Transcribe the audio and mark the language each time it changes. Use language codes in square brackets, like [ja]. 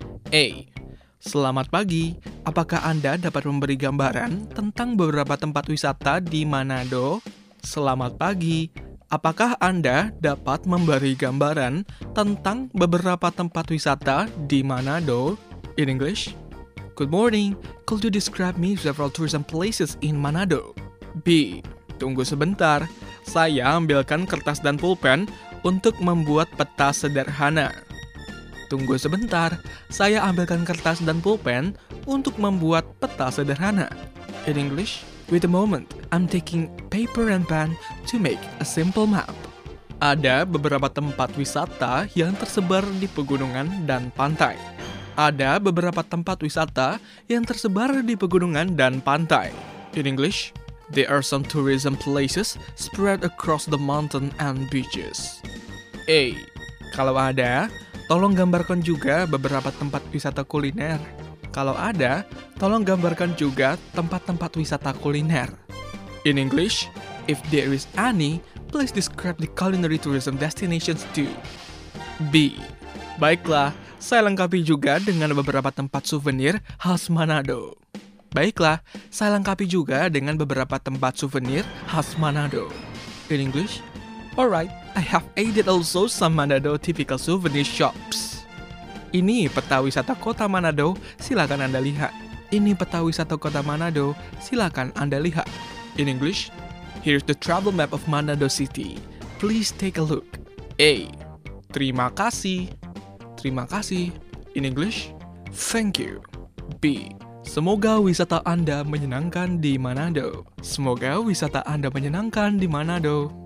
[id] A. Selamat pagi, apakah Anda dapat memberi gambaran tentang beberapa tempat wisata di Manado? Selamat pagi, apakah Anda dapat memberi gambaran tentang beberapa tempat wisata di Manado? [en] In English, good morning, could you describe me several tourism places in Manado? B. [id] Tunggu sebentar, saya ambilkan kertas dan pulpen untuk membuat peta sederhana. Tunggu sebentar, saya ambilkan kertas dan pulpen untuk membuat peta sederhana. [en] In English, wait a moment, I'm taking paper and pen to make a simple map. [id] Ada beberapa tempat wisata yang tersebar di pegunungan dan pantai. Ada beberapa tempat wisata yang tersebar di pegunungan dan pantai. [en] In English, there are some tourism places spread across the mountain and beaches. [id] A. Kalau ada, tolong gambarkan juga beberapa tempat wisata kuliner. Kalau ada, tolong gambarkan juga tempat-tempat wisata kuliner. [en] In English, if there is any, please describe the culinary tourism destinations too. B. [id] Baiklah, saya lengkapi juga dengan beberapa tempat souvenir khas Manado. Baiklah, saya lengkapi juga dengan beberapa tempat souvenir khas Manado. [en] In English, alright, I have added also some Manado typical souvenir shops. [id] Ini peta wisata kota Manado, silakan Anda lihat. Ini peta wisata kota Manado, silakan Anda lihat. [en] In English, here's the travel map of Manado City. Please take a look. A. [id] Terima kasih. Terima kasih. [en] In English, thank you. [id] B. Semoga wisata Anda menyenangkan di Manado. Semoga wisata Anda menyenangkan di Manado.